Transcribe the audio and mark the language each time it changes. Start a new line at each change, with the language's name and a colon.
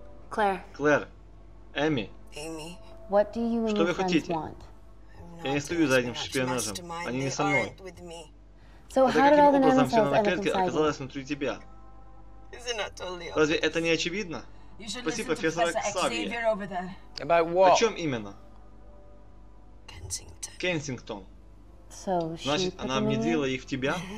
Russian: Клэр. Клэр. Эми. Эми. Что вы хотите? Я не стою за этим шпионажем. Они не со мной.
English: So how did all the nanocells end up
Russian: оказалась внутри тебя? Разве это не очевидно? Спроси профессора Ксавье.
English: About what?
Russian: О чем именно? Кенсингтон.
English: So
Russian: значит, она внедрила их в тебя?